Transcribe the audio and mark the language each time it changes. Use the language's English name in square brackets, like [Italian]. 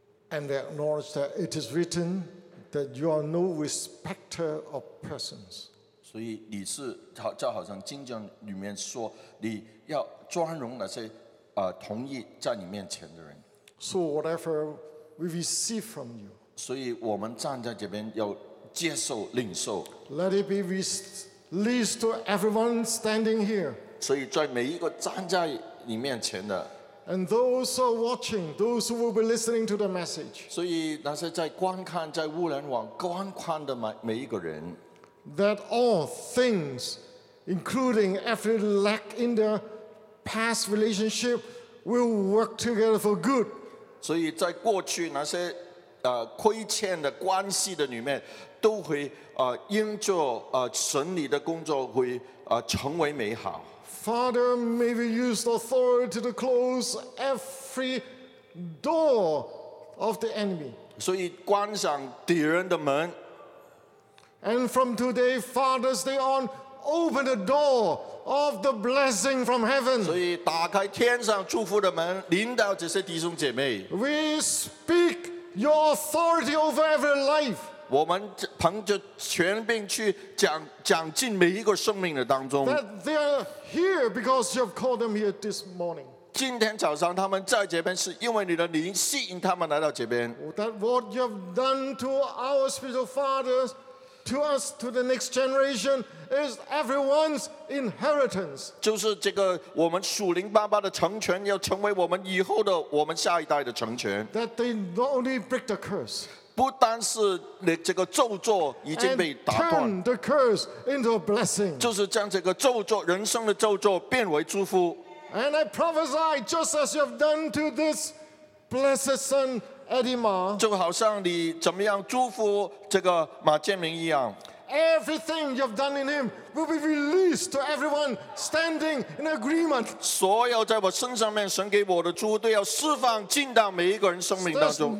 [English] And they acknowledge that it is written that you are no respecter of persons. [Chinese] 所以你是就好像经卷里面说，你要尊荣那些，同意在你面前的人。 [English] So whatever we receive from you. [Chinese] 所以我们站在这边要接受领受。 [English] Let it be released to everyone standing here. [Chinese] 所以在每一个站在你面前的。 [English] And those who are watching, those who will be listening to the message. [Chinese] 所以那些在观看、在互联网观看的每一个人。 [English] That all things, including every lack in their past relationship, will work together for good. [Chinese] 所以在过去那些亏欠的关系的里面，都会因着神你的工作会成为美好。 [English] Father, may we use authority to close every door of the enemy. [Chinese] 所以关上敌人的门。 [English] And from today, Father's Day on, open the door of the blessing from heaven. [Chinese] 所以打开天上祝福的门，临到这些弟兄姐妹。 [English] We speak. Your authority over every life. [Chinese] 我们凭着权柄去讲进每一个生命的当中。 [English] That they are here because you have called them here this morning. [Chinese] 今天早上他们在这边，是因为你的灵吸引他们来到这边。 [English] That what you have done to our spiritual fathers, to us, to the next generation, is everyone's inheritance. [Chinese] 就是这个我们属灵爸爸的成全，要成为我们以后的我们下一代的成全。 [English] That they not only break the curse, [Chinese] 不单是你这个咒诅已经被打断 [English] and turn the curse into a blessing. [Chinese] 就是将这个咒诅，人生的咒诅变为祝福。 [English] And I prophesy, just as you have done to this blessed son. [Chinese] 就好像你怎么样祝福这个马建明一样。 [English] Everything you've done in him will be released to everyone standing in agreement. [Chinese] 所有在我身上面神给我的祝福都要释放进到每一个人生命当中。